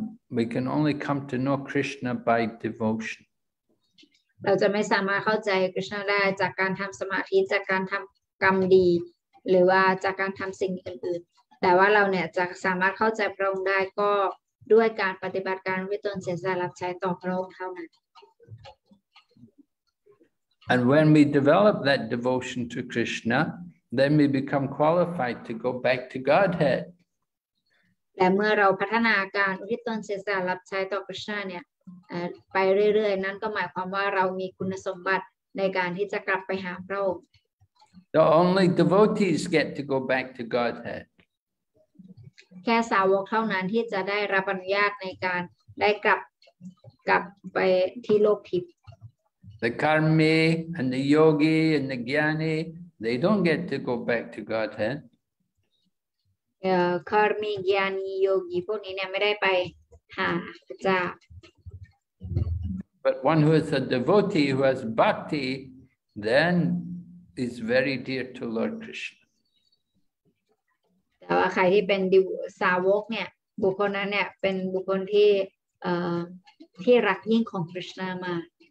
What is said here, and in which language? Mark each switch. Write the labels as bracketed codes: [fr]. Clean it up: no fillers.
[en] We can only come to know Krishna by devotion. [th] เราจะไม่สามารถเข้าใจคริชนาได้จากการทำสมาธิจากการทำกรรมดีหรือว่าจากการทำสิ่งอื่นๆแต่ว่าเราเนี่ยจะสามารถเข้าใจพระองค์ได้ก็ด้วยการปฏิบัติการวิตนเสียสละรับใช้ต่อพระองค์เท่านั้น [en] And when we develop that devotion to Krishna. Then we become qualified to go back to Godhead. [th] และเมื่อเราพัฒนาการอุทิศตนเสียสละรับใช้ต่อพระเจ้าเนี่ยไปเรื่อยๆนั่นก็หมายความว่าเรามีคุณสมบัติในการที่จะกลับไปหาพระองค์ [en] The only devotees get to go back to Godhead. [th] แค่สาวกเท่านั้นที่จะได้รับอนุญาตในการได้กลับไปที่โลกทิพย์ [en] The karmi and the yogi and the gyani. They don't get to go back to Godhead. [th] Karmi, Gyani, Yogi, พวกนี้เนี่ยไม่ได้ไปหาพระเจ้า [en] But one who is a devotee, who has bhakti, then is very dear to Lord Krishna. [th] แต่ว่าใครที่เป็นสาวกเนี่ยบุคคลนั้นเนี่ยเป็นบุคคลที่ที่รักยิ่งของคริชนามาก